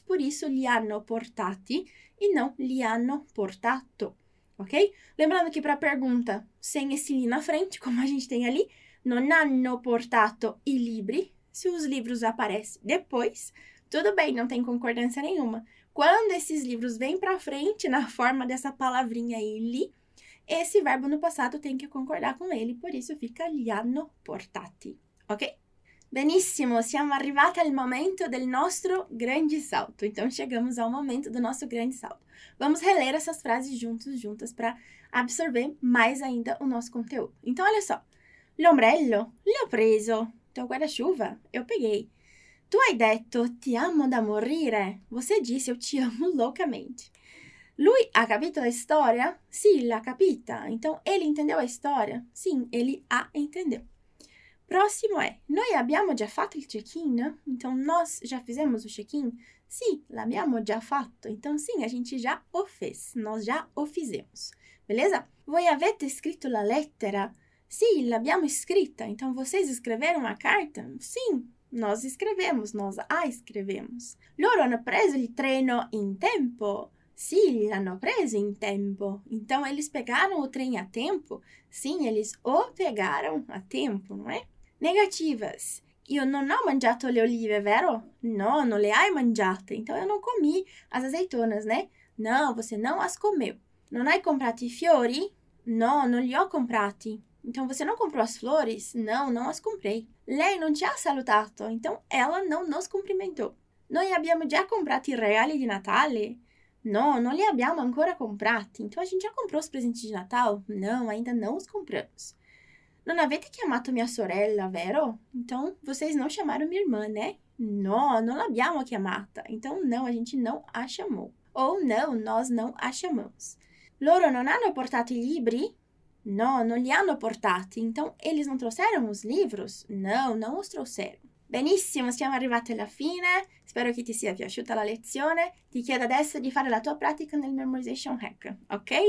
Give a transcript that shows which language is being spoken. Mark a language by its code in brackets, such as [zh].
[pt] Por isso, [it] li hanno portati e não li hanno portato. [pt] Ok? Lembrando que para a pergunta sem esse li na frente, como a gente tem ali, [it] non hanno portato i libri. [pt] Se os livros aparecem depois, tudo bem, não tem concordância nenhuma. Quando esses livros vêm para frente na forma dessa palavrinha aí, li, esse verbo no passado tem que concordar com ele, por isso fica [it] li hanno portati, [pt] ok? [it] Benissimo, siamo arrivati al momento del nostro grande salto. [pt] Então, chegamos ao momento do nosso grande salto. Vamos reler essas frases juntas para absorver mais ainda o nosso conteúdo. Então, olha só. [it] L'ombrello, l'ho preso. [pt] Teu guarda-chuva, eu peguei. [it] Tu hai detto ti amo da morire. [pt] Você disse eu te amo loucamente. [it] Lui ha capito a história? Sì, l'ha capita. [pt] Então, ele entendeu a história? Sim, ele a entendeu. Próximo é: [it] noi abbiamo già fatto il check-in? [pt] Então, nós já fizemos o check-in? [it] Sì, l'abbiamo già fatto. [pt] Então, sim, a gente já o fez. Nós já o fizemos. Beleza? [it] Voi avete scritto la lettera? Sì, l'abbiamo scritta. [pt] Então, vocês escreveram a carta? Sim, nós escrevemos, nós a escrevemos. [it] Loro hanno preso il treno in tempo? Sì, l'hanno preso in tempo. [pt] Então, eles pegaram o trem a tempo? Sim, eles o pegaram a tempo, não é? Negativas. [it] Io non ho mangiato le olive, vero? No, non le hai mangiate. [pt] Então, eu não comi as azeitonas, né? Não, você não as comeu. [it] Non hai comprato i fiori? No, non li ho comprati. [pt] Então, você não comprou as flores? Não, não as comprei. [it] Lei non ci ha salutato. [pt] Então, ela não nos cumprimentou. [it] Noi abbiamo già comprato i regali di Natale? No, non li abbiamo ancora comprati. [pt] Então, a gente já comprou os presentes de Natal? Não, ainda não os compramos. [it] Non avete chiamato mia sorella, vero? [pt] Então, vocês não chamaram minha irmã, né? [it] No, non l'abbiamo chiamata. [pt] Então, não, a gente não a chamou. Ou não, nós não a chamamos. [it] Loro non hanno portato i libri? No, non li hanno portati. [pt] Então, eles não trouxeram os livros? No, non os trouxeram. [it] Benissimo, siamo arrivati alla fine. Spero che ti sia piaciuta la lezione. Ti chiedo adesso di fare la tua pratica nel Memorization Hack, ok?